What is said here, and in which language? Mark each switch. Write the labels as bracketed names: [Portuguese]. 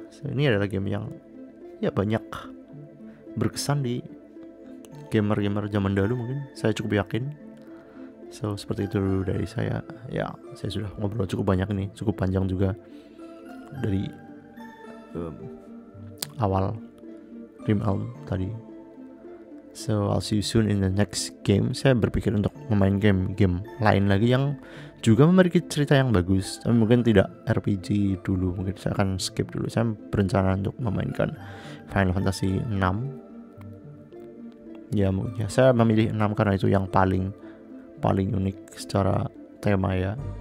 [Indonesian] So, ini adalah game yang ya banyak berkesan di gamer-gamer zaman dahulu mungkin. Saya cukup yakin. So, seperti itu dari saya. Ya, saya sudah ngobrol cukup banyak nih, cukup panjang juga dari awal Rimelm tadi. [English] So, I'll see you soon in the next game. [Indonesian] Saya berpikir untuk memain game-game lain lagi yang juga memiliki cerita yang bagus, tapi mungkin tidak RPG dulu. Mungkin saya akan skip dulu. Saya berencana untuk memainkan Final Fantasy 6. Ya, mungkin saya memilih 6 karena itu yang paling unik secara tema ya.